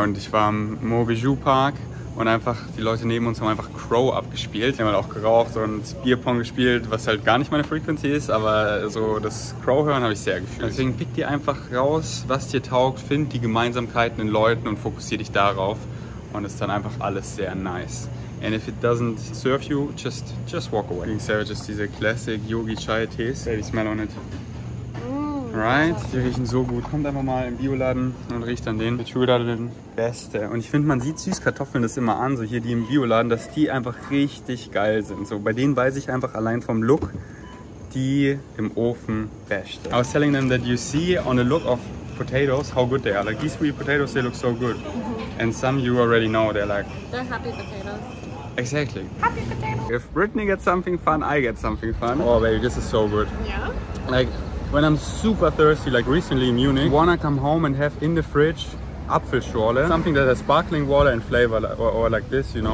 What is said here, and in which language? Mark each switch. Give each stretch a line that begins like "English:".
German: Und ich war im Mobijou Park und einfach die Leute neben uns haben einfach Crow abgespielt. Die haben halt auch geraucht und Bierpong gespielt, was halt gar nicht meine Frequency ist, aber so das Crow-Hören habe ich sehr gefühlt. Deswegen pick dir einfach raus, was dir taugt, find die Gemeinsamkeiten in Leuten und fokussiere dich darauf. Und ist dann einfach alles sehr nice.
English: And if it doesn't serve you, just walk away.
German: Ich serve just diese Classic Yogi Chai Tees. Baby, smell on it. Right? Die riechen so gut. Kommt einfach mal im Bioladen und riecht an den. Betrudadeln. Beste. Und ich finde, man sieht Süßkartoffeln das immer an, so hier die im Bioladen, dass die einfach richtig geil sind. So bei denen weiß ich einfach allein vom Look, die im Ofen beste.
English: I was telling them that you see on the look of potatoes how good they are. Like these sweet potatoes, they look so good. And some you already know, they're like... They're happy potatoes. Exactly. Happy potatoes. If Brittany gets something fun, I get something fun. Oh baby, this is so good. Yeah? Like, when I'm super thirsty, like recently in Munich, wanna come home and have in the fridge Apfelschorle, something that has sparkling water and flavor, or like this, you know?